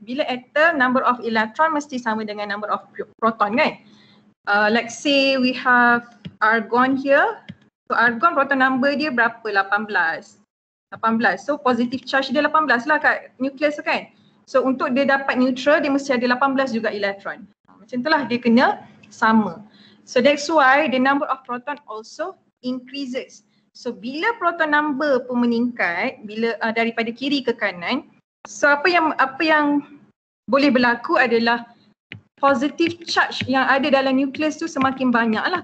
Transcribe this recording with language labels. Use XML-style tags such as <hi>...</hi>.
<ms>Bila atom, number of elektron mesti sama dengan number of proton kan.</ms> <en>Let's say we have argon here. So argon proton number</en> <ms>dia berapa?</ms> <en>18.</en> <ms>So positive charge dia 18 lah kat nucleus kan. So untuk dia dapat neutral, dia mesti ada 18 juga elektron. Macam itulah, dia kena sama.</ms> <en>So that's why the number of proton also increases.</en> <ms>So bila proton number pun meningkat, bila daripada kiri ke kanan, so apa yang boleh berlaku adalah positive charge yang ada dalam nucleus tu semakin banyak lah.</ms>